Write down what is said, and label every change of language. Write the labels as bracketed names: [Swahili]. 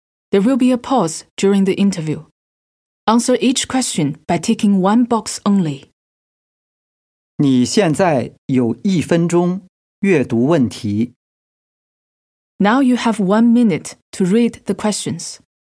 [English] There will be a pause during the interview. Answer each question by ticking one box only. [Chinese] 你现在有一分钟阅读问题。 [English] Now you have 1 minute to read the questions.